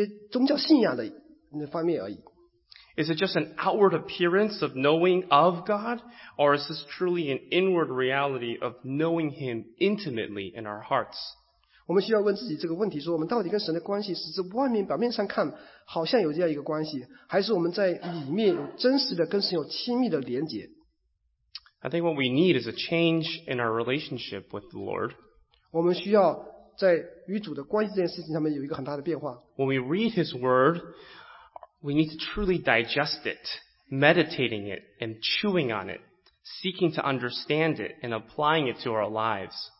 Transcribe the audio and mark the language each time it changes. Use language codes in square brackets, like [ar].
[zh] 但是跟神的关系上面的话呢，我们是不是很多时候都是这个样子，好像我们只是有一个基于工作的一些宗教信仰的那方面而已。 [en] Is it just an outward appearance of knowing of God, or is this truly an inward reality of knowing Him intimately in our hearts? [zh] 我们需要问自己这个问题，说我们到底跟神的关系是在外面表面上看好像有这样一个关系，还是我们在里面有真实的跟神有亲密的连结？ [en] I think what we need is a change in our relationship with the Lord. [zh] 我们需要在与主的关系这件事情上面有一个很大的变化。 [en] When we read His Word, we need to truly digest it, meditating it, and chewing on it, seeking to understand it and applying it to our lives.